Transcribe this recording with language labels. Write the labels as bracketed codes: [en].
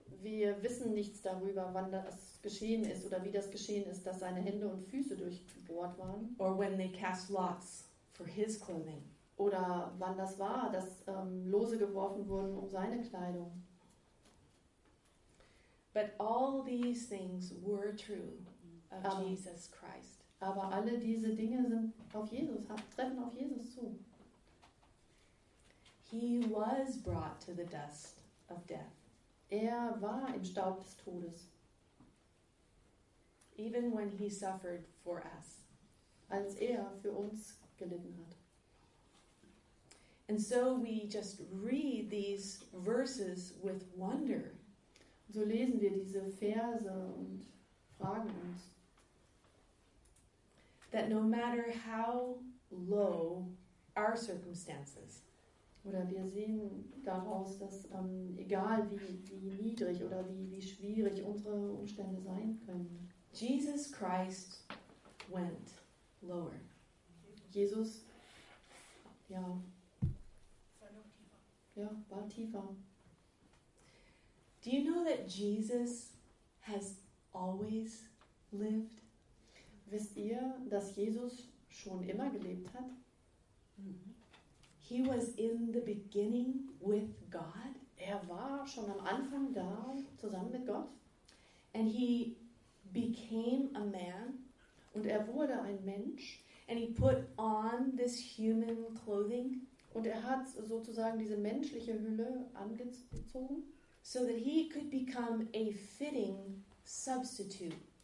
[de] Wir wissen nichts darüber, wann das geschehen ist oder wie das geschehen ist, dass seine Hände und Füße durchbohrt waren. [en] Or when they cast lots for his clothing. [de] Oder wann das war, dass Lose geworfen wurden um seine Kleidung. [en] But all these things were true of Jesus Christ. [de] Aber alle diese Dinge sind auf Jesus, treffen auf Jesus zu. [en] He was brought to the dust of death. [de] Er war im Staub des Todes. [en] Even when he suffered for us. [de] Als er für uns gelitten hat. [en] And so we just read these verses with wonder. [de] So lesen wir diese Verse und fragen uns, [en] that no matter how low our circumstances, [de] oder wir sehen daraus, dass egal wie niedrig oder wie schwierig unsere Umstände sein können, [en] Jesus Christ went lower. [de] Jesus, ja, ja, war tiefer. [en] Do you know that Jesus has always lived? [de] Wisst ihr, dass Jesus schon immer gelebt hat? Mm-hmm. [en] He was in the beginning with God. [de] Er war schon am Anfang da, zusammen mit Gott. [en] And he became a man. [de] Und er wurde ein Mensch. [en] And he put on this human clothing. [de] Und er hat sozusagen diese menschliche Hülle angezogen. [en] So that he could become a fitting substitute.